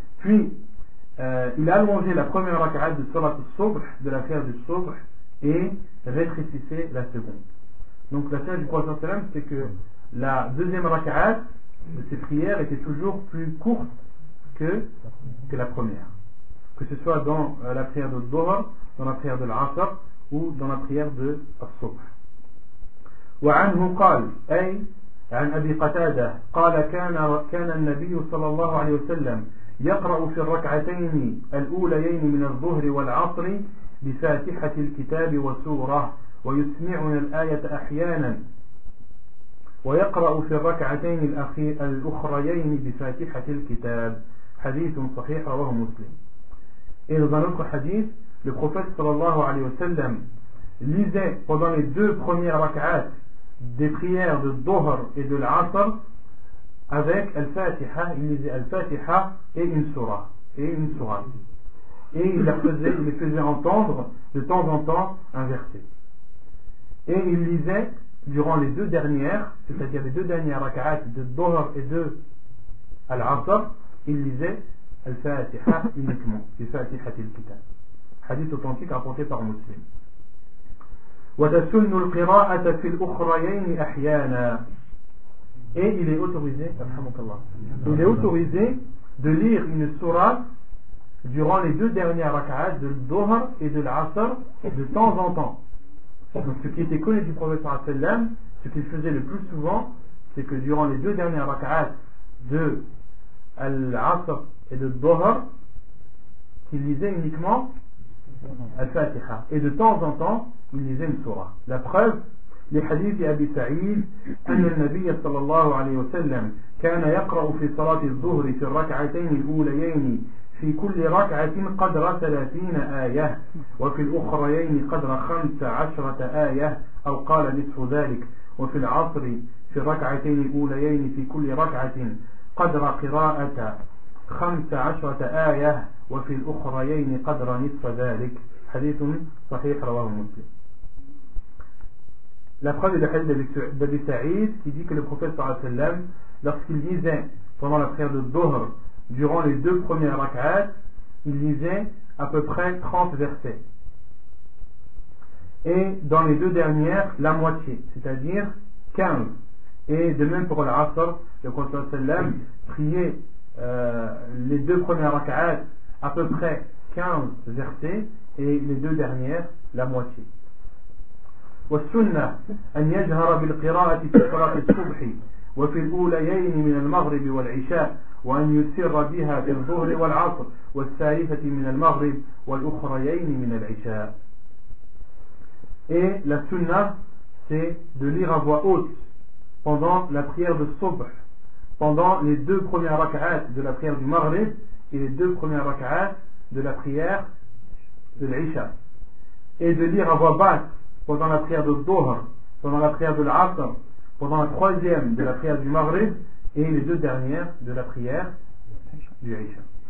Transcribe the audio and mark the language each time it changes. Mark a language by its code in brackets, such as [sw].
[fr] Puis il allongeait la première raka'at de surat al-subh, de la prière du subh, et rétrécissait la seconde. Donc la sagesse du Prophète sallam, c'est que la deuxième raka'at de ses prières était toujours plus courte que la première, que ce soit dans la prière de Dhuhr, dans la prière de l'Asr ou dans la prière de al-subh. [ar] وعنه قال أي عن أبي قتادة قال كان النبي صلى الله عليه وسلم يقرأ في الركعتين الأوليين من الظهر والعصر بفاتحة الكتاب وسورة ويسمعنا الآية أحيانا ويقرأ في الركعتين الأخريين بفاتحة الكتاب. حديث صحيح رواه مسلم. إذا نقرأ حديث للبروفيس صلى الله عليه وسلم [fr] lisait pendant les deux premières rak'at des prières de Dhuhr et de l'Asr avec Al-Fatiha. Il lisait Al-Fatiha et une surah et il les faisait entendre de temps en temps un verset, et il lisait durant les deux dernières, c'est-à-dire les deux dernières raka'at de Dhuhr et de l'Asr, il lisait Al-Fatiha uniquement, Al-Fatiha et le Kitab. Hadith authentique rapporté par Muslim. [ar] وتسن القراءة في الأخرين أحيانا. [fr] Et il est autorisé, il est autorisé de lire une surah durant les deux dernières rak'at de Dhuhr et de l'Asr de temps en temps. Donc ce qui était connu du prophète, ce qu'il faisait le plus souvent, c'est que durant les deux dernières rak'at de l'Asr et de Dhuhr, il lisait uniquement Al-Fatiha, et de temps en temps il lisait une surah. La preuve, les hadiths d'Abi Sa'id, [ar] أن النبي صلى الله عليه وسلم كان يقرأ في صلاة الظهر في الركعتين الأوليين في كل ركعة قدر 30 آية وفي الأخرين قدر 15 آية أو قال نصف ذلك وفي العصر في الركعتين الأوليين في كل ركعة قدر قراءة 15 آية وفي الأخرين قدر نصف ذلك. حديث صحيح رواه مسلم. [fr] La preuve est le hadith d'Abi Sa'id qui dit que le prophète, lorsqu'il lisait pendant la prière de Dhuhr durant les deux premières rak'at, il lisait à peu près 30 versets, et dans les deux dernières la moitié, c'est-à-dire 15. Et de même pour l'Asr, le prophète priait les deux premières rak'at à peu près 15 versets et les deux dernières la moitié. [ar] والسنة أن يجهر بالقراءة في صلاة الصبح وفي الأوليين من المغرب والعشاء وأن يسر بها في الظهر والعصر والثالثة من المغرب والأخريين من العشاء. [fr] Et la sunna, c'est de lire à voix haute pendant la prière de Subh, pendant les deux premières rak'at de la prière du Maghrib et les deux premières rak'at de la prière de l'Isha, et de lire à voix basse pendant la prière de Dhuhr, pendant la prière de l'Asr, pendant la troisième de la prière du Maghrib et les deux dernières de la prière du Isha.